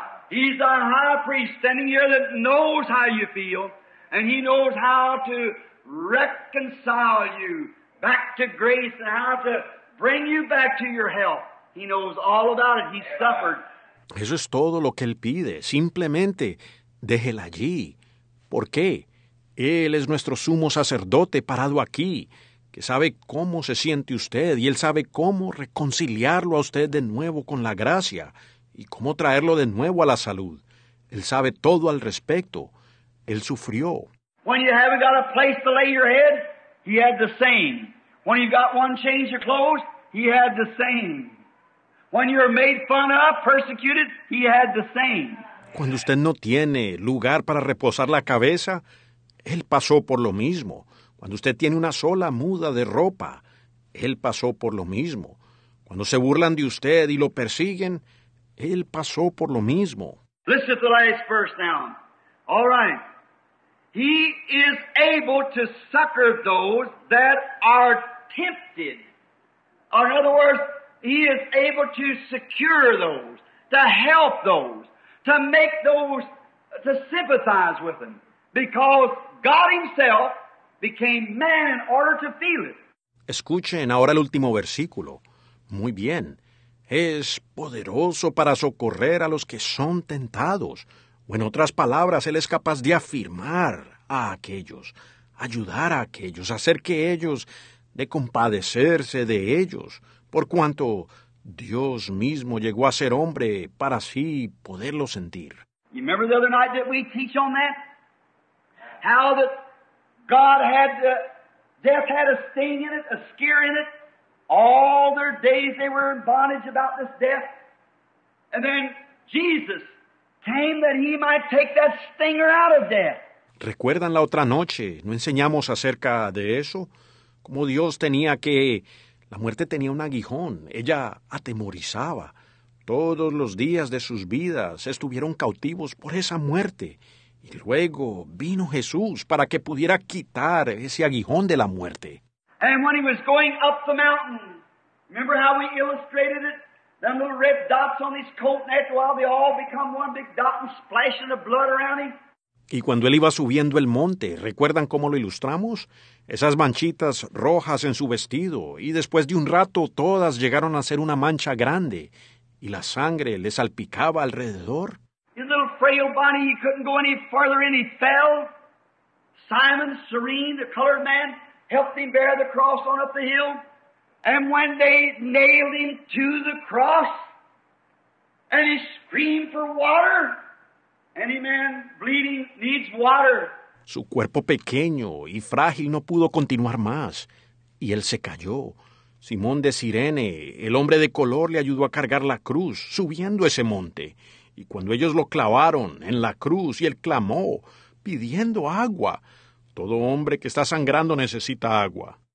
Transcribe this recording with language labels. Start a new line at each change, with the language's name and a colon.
English: He's our high priest standing here that knows how you feel, and he knows how to reconcile you back to grace and how to bring you back to your health. He knows all about it. He suffered.
Spanish: Eso es todo lo que él pide. Simplemente, déjela allí. ¿Por qué? Él es nuestro sumo sacerdote parado aquí, que sabe cómo se siente usted, y él sabe cómo reconciliarlo a usted de nuevo con la gracia. ¿Y cómo traerlo de nuevo a la salud? Él sabe todo al respecto. Él sufrió.
English: When you haven't got a place to lay your head, he had the same. When you've got one change of clothes, he had the same. When you're made fun of, persecuted, he had the same.
Spanish: Cuando usted no tiene lugar para reposar la cabeza, él pasó por lo mismo. Cuando usted tiene una sola muda de ropa, él pasó por lo mismo. Cuando se burlan de usted y lo persiguen, él pasó por lo mismo.
English: Listen to the last verse now. All right. He is able to succor those that are tempted. Or in other words, he is able to secure those, to help those, to make those, to sympathize with them. Because God himself became man in order to feel it.
Spanish: Escuchen ahora el último versículo. Muy bien. Es poderoso para socorrer a los que son tentados. O en otras palabras, Él es capaz de afirmar a aquellos, ayudar a aquellos, hacer que ellos, de compadecerse de ellos, por cuanto Dios mismo llegó a ser hombre para así poderlo sentir.
English: You remember the other night that we teach on that? How that God had death had a sting in it, a scare in it. All their days they were in bondage about this death. And then Jesus came that he might take that stinger out of death.
Spanish: ¿Recuerdan la otra noche? ¿No enseñamos acerca de eso? Como Dios tenía que... La muerte tenía un aguijón. Ella atemorizaba. Todos los días de sus vidas estuvieron cautivos por esa muerte. Y luego vino Jesús para que pudiera quitar ese aguijón de la muerte.
English: And when he was going up the mountain, remember how we illustrated it? Them little red dots on his coat, and after a while they all become one big dot and splashing the blood around him.
Spanish: Y cuando él iba subiendo el monte, ¿recuerdan cómo lo ilustramos? Esas manchitas rojas en su vestido, y después de un rato todas llegaron a ser una mancha grande, y la sangre le salpicaba alrededor.
English: His little frail body, he couldn't go any farther, and he fell. Simon Serene, the colored man, helped him bear the cross on up the hill. And when they nailed him to the cross, and he screamed for water, any man bleeding needs water.
Spanish: Su cuerpo pequeño y frágil no pudo continuar más, y él se cayó. Simón de Cirene, el hombre de color, le ayudó a cargar la cruz, subiendo ese monte. Y cuando ellos lo clavaron en la cruz y él clamó, pidiendo agua, todo hombre que está sangrando necesita agua.